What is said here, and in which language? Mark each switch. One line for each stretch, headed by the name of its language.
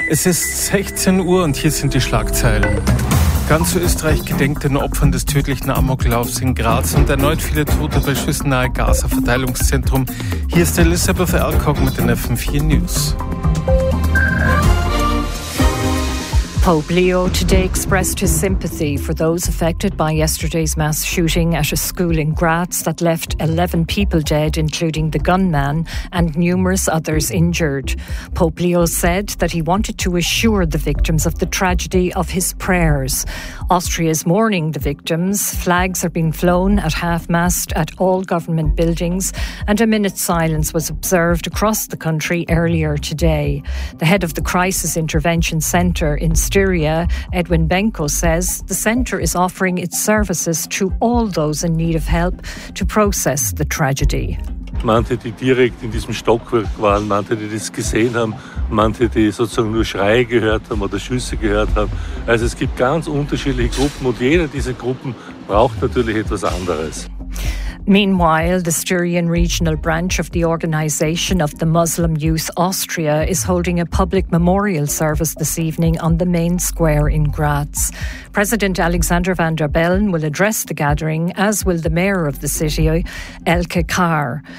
German: Es ist 16 Uhr und hier sind die Schlagzeilen. Ganz Österreich gedenkt den Opfern des tödlichen Amoklaufs in Graz und erneut viele Tote bei Schüssen nahe Gaza-Verteilungszentrum. Hier ist Elisabeth Alcock mit den FM4 News.
English: Pope Leo today expressed his sympathy for those affected by yesterday's mass shooting at a school in Graz that left 11 people dead, including the gunman, and numerous others injured. Pope Leo said that he wanted to assure the victims of the tragedy of his prayers. Austria is mourning the victims. Flags are being flown at half-mast at all government buildings, and a minute's silence was observed across the country earlier today. The head of the Crisis Intervention Centre in Stuttgart Nigeria, Edwin Benko, says the centre is offering its services to all those in need of help to process the tragedy.
German: Manche, die direkt in diesem Stockwerk waren, manche, die das gesehen haben, manche, die sozusagen nur Schreie gehört haben oder Schüsse gehört haben. Also es gibt ganz unterschiedliche Gruppen und jede dieser Gruppen braucht natürlich etwas anderes.
English: Meanwhile, the Styrian regional branch of the Organization of the Muslim Youth Austria is holding a public memorial service this evening on the main square in Graz. President Alexander van der Bellen will address the gathering, as will the mayor of the city, Elke Kahr.